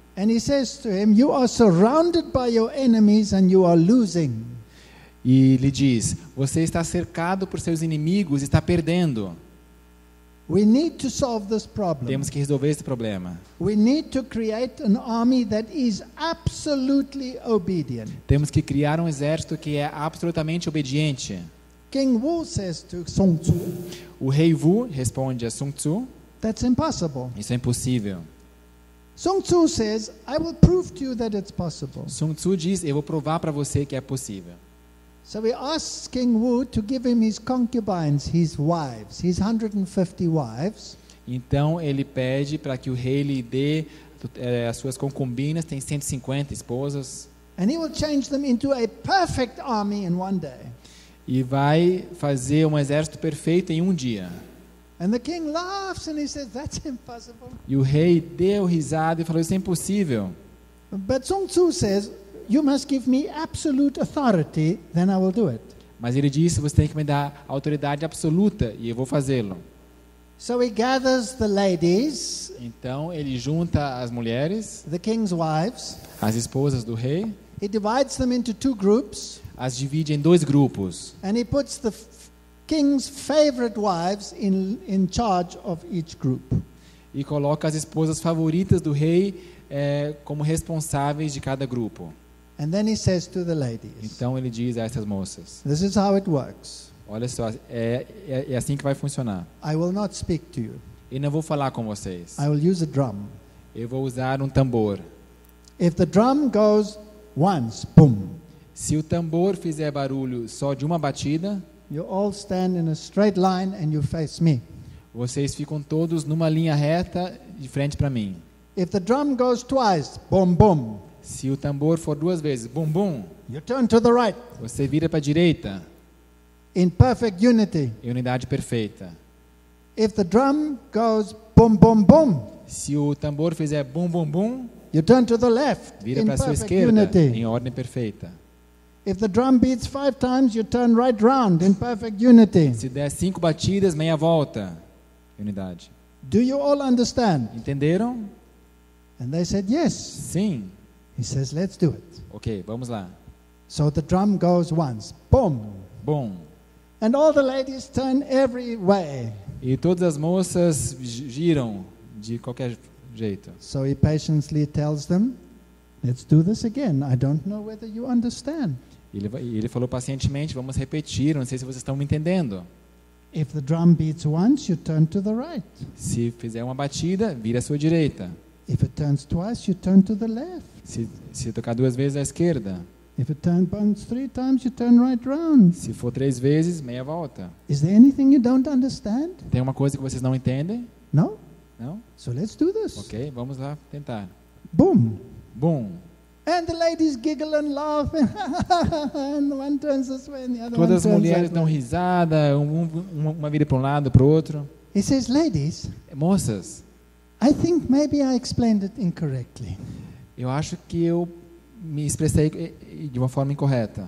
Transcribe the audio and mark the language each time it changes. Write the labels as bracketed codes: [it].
[en] And he says to him, "You are surrounded by your enemies and you are losing." [pt] E lhe diz: "Você está cercado por seus inimigos e está perdendo." [en] We need to solve this problem. [pt] Temos que resolver esse problema. [en] We need to create an army that is absolutely obedient. [pt] Temos que criar um exército que é absolutamente obediente. [en] King Wu says to Sun Tzu. [pt] O rei Wu responde a Sun Tzu. [en] That's impossible. [pt] Isso é impossível. [en] Sun Tzu says, "I will prove to you that it's possible." [pt] Sun Tzu diz: "Eu vou provar para você que é possível." [en] So he asks King Wu to give him his concubines, his wives, his 150 wives. [pt] Então ele pede para que o rei lhe dê as suas concubinas, tem 150 esposas. [en] And he will change them into a perfect army in one day. [pt] E vai fazer um exército perfeito em um dia. [en] And the king laughs and he says, "That's impossible." [pt] E o rei deu risada e falou: "Isso é impossível." [en] But Sun Tzu says, "You must give me absolute authority, then I will do it." [pt] Mas ele disse, você tem que me dar autoridade absoluta e eu vou fazê-lo. [en] So he gathers the ladies, [pt] então ele junta as mulheres, [en] the king's wives, [pt] as esposas do rei. [en] He divides them into two groups, [pt] as divide em dois grupos. [en] And he puts the king's favorite wives in charge of each group. [pt] E coloca as esposas favoritas do rei como responsáveis de cada grupo. [en] And then he says to the ladies. [pt] Então ele diz a essas moças. [en] This is how it works. [pt] Olha só, é assim que vai funcionar. [en] I will not speak to you. [pt] Eu não vou falar com vocês. [en] I will use a drum. [pt] Eu vou usar um tambor. [en] If the drum goes once, boom. [pt] Se o tambor fizer barulho só de uma batida, [en] you all stand in a straight line and you face me. [pt] Vocês ficam todos numa linha reta de frente para mim. [en] If the drum goes twice, boom, boom. [pt] Se o tambor for duas vezes, boom, boom. [en] You turn to the right. [pt] Você vira para a direita. [en] In perfect unity. [pt] Em unidade perfeita. [en] If the drum goes boom, boom, boom. [pt] Se o tambor fizer boom, boom, boom. [en] You turn to the left. [pt] Vira para a sua esquerda. [en] Unity. [pt] Em ordem perfeita. [en] If the drum beats five times, you turn right round. In perfect unity. [pt] Se der cinco batidas, meia volta. Unidade. [en] Do you all understand? [pt] Entenderam? [en] And they said yes. [pt] Sim. [en] He says, let's do it. [pt] Okay, vamos lá. [en] So the drum goes once. Boom. Boom. And all the ladies turn every way. [pt] E todas as moças giram de qualquer jeito. [en] So he patiently tells them, let's do this again. I don't know whether you understand. [pt] Ele falou pacientemente, vamos repetir. Não sei se vocês estão me entendendo. [en] If the drum beats once, you turn to the right. [pt] Se fizer uma batida, vira à sua direita. [en] If it turns twice, you turn to the left. [pt] Se tocar duas vezes à esquerda. [en] If it turns three times, you turn right round. [pt] Se for três vezes, meia volta. [en] Is there anything you don't understand? [pt] Tem uma coisa que vocês não entendem? [en] No? No? So let's do this. [pt] Okay, vamos lá tentar. Boom. Boom. [en] And the ladies giggle and laugh. And one turns this way and the other [pt] Todas as mulheres [en] that way. [pt] Dão risada, uma vira para lado, para outro. [en] He says, ladies. [pt] Moças. [en] I think maybe I explained it incorrectly. [pt] Eu acho que eu me expressei de uma forma incorreta.